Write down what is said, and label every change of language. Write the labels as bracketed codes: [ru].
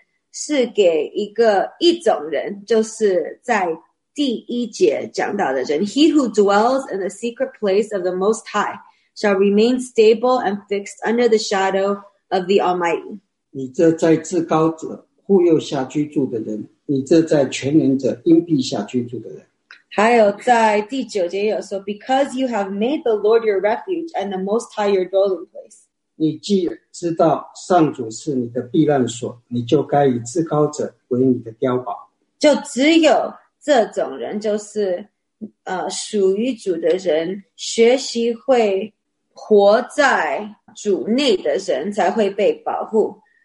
[zh] 是给一个一种人，就是在第一节讲到的人。 [en] He who dwells in the secret place of the Most High shall remain stable and fixed under the shadow of the Almighty. [zh] 你这在至高者护佑下居住的人，你这在全能者荫庇下居住的人。还有在第九节有说 [en] ，Because you have made the Lord your refuge and the Most High your dwelling place。 [zh] 你既知道上主是你的避难所，你就该以至高者为你的碉堡。就只有这种人，就是属于主的人，学习会活在主内的人，才会被保护。